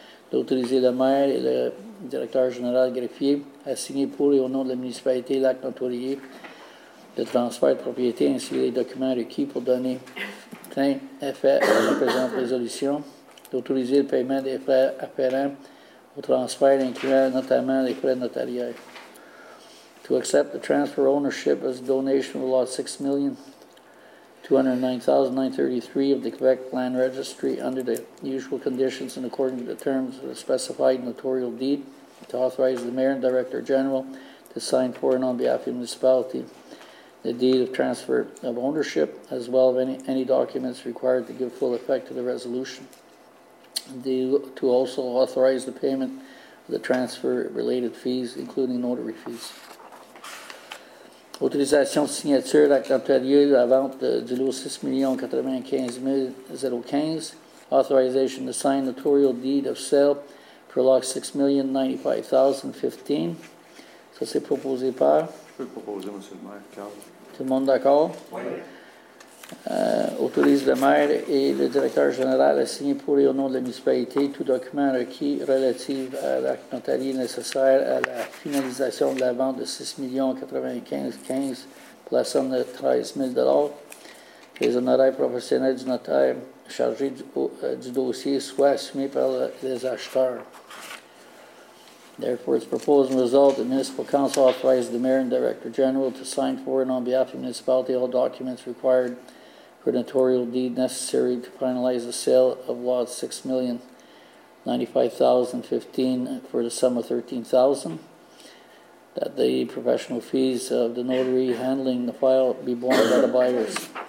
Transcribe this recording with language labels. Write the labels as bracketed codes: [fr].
[fr] D'autoriser le maire et le directeur général greffier à signer pour et au nom de la municipalité l'acte notarié de transfert de propriété ainsi que les documents requis pour donner plein effet à la présente résolution. D'autoriser le paiement des frais afférents au transfert incluant notamment les frais notariés. [en] To accept the transfer ownership as a donation of lot 6,209,933 of the Quebec Land Registry under the usual conditions and according to the terms of the specified notarial deed to authorize the Mayor and Director General to sign for and on behalf of the municipality the deed of transfer of ownership as well as any documents required to give full effect to the resolution. To also authorize the payment of the transfer related fees, including notary fees. [fr] Autorisation de signature d'acte notarié de la vente du lot 6,095,015. [en] Authorization to sign notarial deed of sale for lot 6,095,015. [fr] Ça, c'est proposé par? Je peux le proposer, M. le maire. Tout le monde d'accord? Oui. Autorise le maire et le directeur général à signer pour et au nom de la municipalité tout document requis relatif à l'acte notarié nécessaire à la finalisation de la vente de 6,095,015 pour la somme de 13 000 $ que les honoraires professionnels du notaire chargés du dossier soient assumés par les acheteurs. [en] Therefore, it's proposed and resolved that the Municipal Council authorizes the Mayor and Director General to sign for and on behalf of the municipality all documents required for notarial deed necessary to finalize the sale of lot 6,095,015 for the sum of $13,000, that the professional fees of the notary handling the file be borne by the buyers.